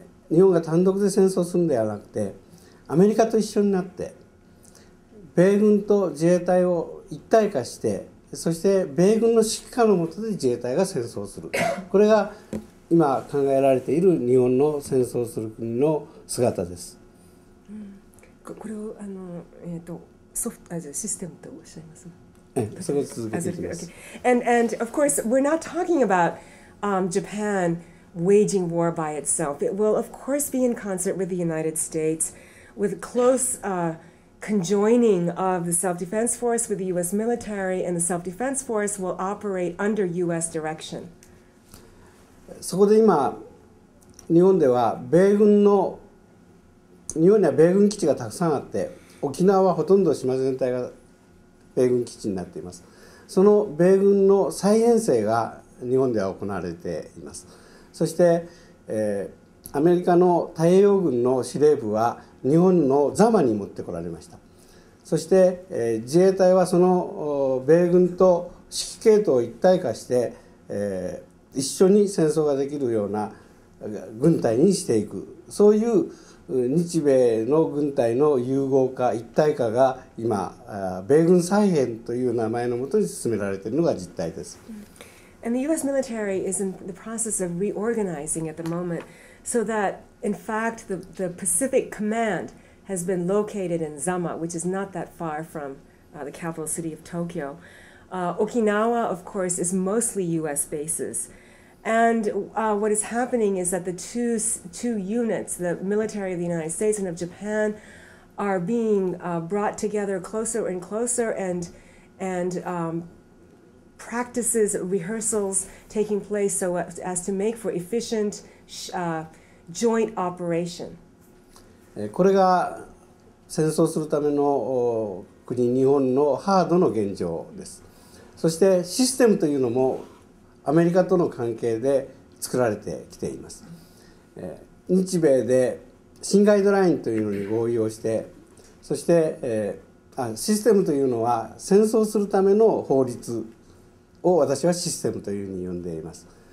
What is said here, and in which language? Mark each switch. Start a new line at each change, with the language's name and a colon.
Japanese: 日本が単独で戦争するのではなくて、アメリカと一緒になって米軍と自衛隊を一体化して、そして米軍の指揮下の下で自衛隊が戦争する、これが今考えられている日本の戦争する国の姿です。これをあの、ソフト、あ、じゃあシステムとおっしゃいます。そこを続けていきます。
English: And of course we're not talking about Japan waging war by itself. It will of course be in concert with the United States. With close conjoining of the self-defense force with the U.S. military, and the self-defense force will operate under U.S. direction.
Japanese: そこで今、日本では米軍の、日本には米軍基地がたくさんあって、沖縄はほとんど島全体が米軍基地になっています。その米軍の再編成が日本では行われています。そして、アメリカの太平洋軍の司令部は日本の座間に持ってこられました。そして、自衛隊はその米軍と指揮系統を一体化して、一緒に戦争ができるような軍隊にしていく、そういう日米の軍隊の融合化、一体化が今米軍再編という名前のもとに進められているのが実態です。
English: And the US military is in the process of reorganizing at the moment so thatIn fact, the Pacific Command has been located in Zama, which is not that far from the capital city of Tokyo. Okinawa, of course, is mostly U.S. bases. And what is happening is that the two units, the military of the United States and of Japan, are being brought together closer and closer, and practices, rehearsals taking place so as to make for efficient... Joint operation.
Japanese: これが戦争するための国、日本のハードの現状です。そしてシステムというのもアメリカとの関係で作られてきています。日米で新ガイドラインというのに合意をして、そしてシステムというのは戦争するための法律を私はシステムというふうに呼んでいます。